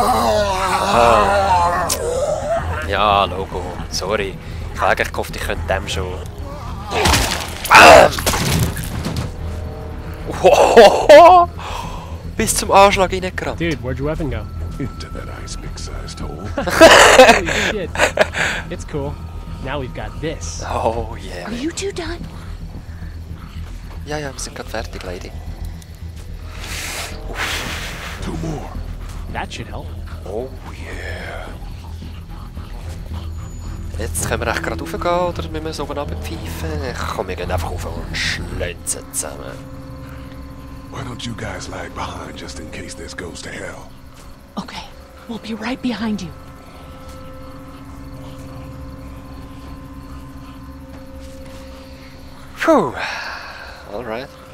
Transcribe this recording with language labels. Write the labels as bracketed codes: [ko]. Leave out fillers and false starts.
[de] Oh. Ja, Logo. Sorry. Ich habe eigentlich gehofft, ich könnte dem schon. Bam! Bis zum Anschlag reingerannt. [en] Dude, where'd your weapon go? Into that Eispickel-sized hole. Holy shit. It's cool. Now we've got this. Oh yeah. Are you two done? Yeah, [de] wir sind gerade fertig, lady. [en] Oof. Two more. That should help. Oh yeah. [de] Jetzt können wir echt gerade raufgehen oder müssen wir es oben abpfeifen? Komm, wir gehen einfach rauf und schlitzen zusammen. [en] Why don't you guys lag behind just in case this goes to hell? Okay, we'll be right behind you. Phew, all right.